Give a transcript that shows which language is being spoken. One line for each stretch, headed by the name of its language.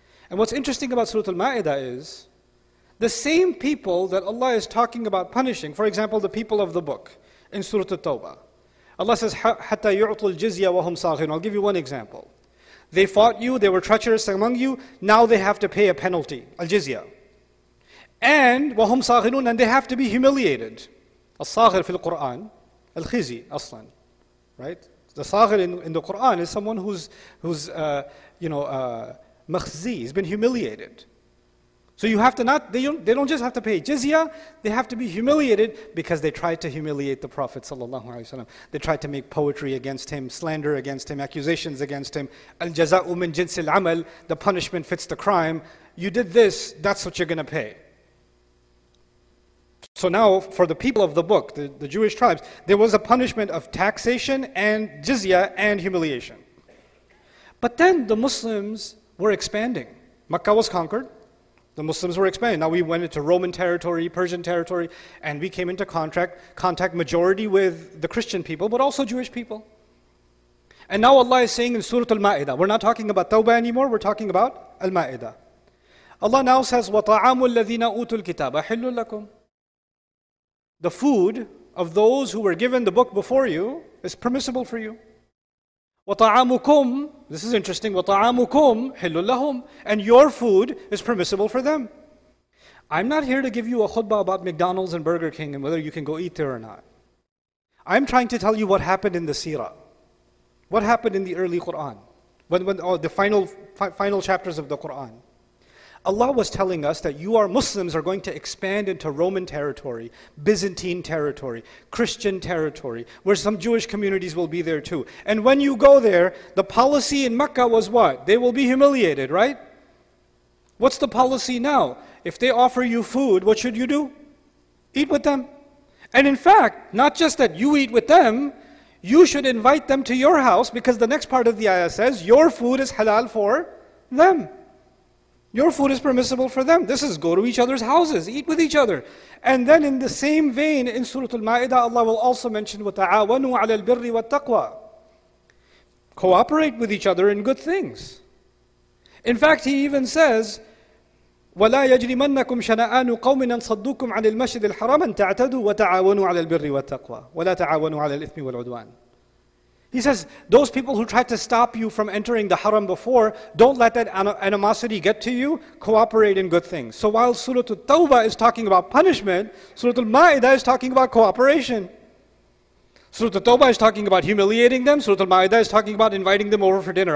English: And what's interesting about Surah Al-Ma'idah is, the same people that Allah is talking about punishing, for example, the people of the book in Surah At-Tawbah, Allah says,
Arabic: حَتَّى يُعْطُوا الْجِزْيَ وَهُمْ صَاغِرُونَ.
English: I'll give you one example. They fought you, they were treacherous among you, now they have to pay a penalty, al-jizya. And,
Arabic: وَهُمْ صَاغِرُونَ,
English: and they have to be humiliated.
Arabic: الصَّاغِر فِي الْقُرْآنِ الْخِزِي أَصْلًا.
English: Right? The صَاغِر in the Qur'an is someone who's مَخْزِي, he's been humiliated. So you have to not, they don't just have to pay jizya, they have to be humiliated because they tried to humiliate the Prophet ﷺ. They tried to make poetry against him, slander against him, accusations against him.
Arabic: Al-jaza'u min jinsil amal,
English: the punishment fits the crime. You did this, that's what you're going to pay. So now for the people of the book, the Jewish tribes, there was a punishment of taxation and jizya and humiliation. But then the Muslims were expanding. Mecca was conquered. The Muslims were expanding. Now we went into Roman territory, Persian territory, and we came into contact majority with the Christian people, but also Jewish people. And now Allah is saying in Surah Al-Ma'idah, we're not talking about Tawbah anymore, we're talking about Al-Ma'idah.
Arabic: Allah now says, وَطَعَامُ الَّذِينَ أُوتُوا الْكِتَابَ حِلٌّ لَكُمْ.
English: The food of those who were given the book before you is permissible for you.
Arabic: وَطَعَامُكُمْ,
English: this is interesting,
Arabic: وَطَعَامُكُمْ حِلٌّ لَهُمْ.
English: And your food is permissible for them. I'm not here to give you a khutbah about McDonald's and Burger King and whether you can go eat there or not. I'm trying to tell you what happened in the seerah. What happened in the early Quran? The final chapters of the Quran. Allah was telling us that you are Muslims are going to expand into Roman territory, Byzantine territory, Christian territory, where some Jewish communities will be there too. And when you go there, the policy in Mecca was what? They will be humiliated, right? What's the policy now? If they offer you food, what should you do? Eat with them. And in fact, not just that you eat with them, you should invite them to your house, because the next part of the ayah says, your food is halal for them. Your food is permissible for them. This is go to each other's houses, eat with each other. And then in the same vein, in Surah Al-Ma'idah, Allah will also mention,
Arabic: وَتَعَاوَنُوا عَلَى الْبِرِّ وَالتَّقْوَى.
English: Cooperate with each other in good things. In fact, he even says,
Arabic: وَلَا يَجْرِمَنَّكُمْ شَنَآنُ قَوْمٍ أَنْ صَدُّكُمْ عَنِ الْمَشْدِ الْحَرَامِ أَنْ تَعْتَدُوا وَتَعَاوَنُوا عَلَى الْبِرِّ وَالتَّقْوَى وَلَا تَعَاوَنُوا عَلَى الْإِثْمِ وَالْعُدْوَانِ.
English: He says, those people who tried to stop you from entering the haram before, don't let that animosity get to you. Cooperate in good things. So while Surah Al-Tawbah is talking about punishment, Surah Al-Ma'idah is talking about cooperation. Surah Al-Tawbah is talking about humiliating them. Surah Al-Ma'idah is talking about inviting them over for dinner.